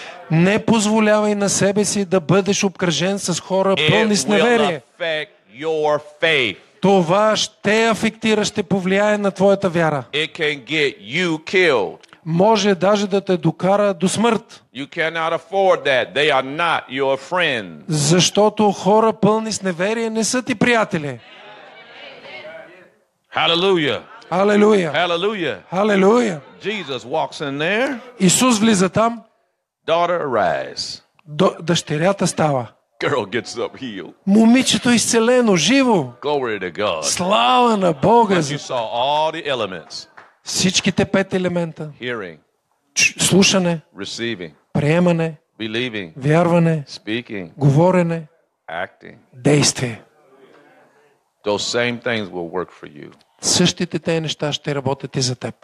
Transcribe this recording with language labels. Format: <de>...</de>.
<bg>Не позволявай на себе си да бъдеш обкръжен с хора пълни с неверие.</bg> <en>It will affect your faith.</en> <bg>Това ще афектира, ще повлияе на твоята вяра.</bg> <en>It can get you killed.</en> <bg>Може даже да те докара до смърт.</bg> <en>You cannot afford that. They are not your friend.</en> <bg>Защото хора пълни с неверие не са ти приятели. Халелуя! Халелуя! Халелуя! Халелуя!</bg> <en>Jesus walks in there.</en> <bg>Исус влиза там.</bg> <en>Daughter, arise.</en> <bg>Дъщерята става.</bg> <en>Girl gets up healed.</en> <bg>Момичето изцелено, живо.</bg> <en>Glory to God.</en> <bg>Слава на Бога.</bg> <en>You saw all the elements.</en> <bg>Всичките пет елемента.</bg> <en>Hearing.</en> <bg>Слушане.</bg> <en>Receiving.</en> <bg>Приемане.</bg> <en>Believing.</en> <bg>Вярване.</bg> <en>Speaking.</en> <bg>Говорене.</bg> <en>Acting.</en> <bg>Действие.</bg> <en>Those same things will work for you.</en> <bg>Същите тези неща ще работят и за теб.</bg>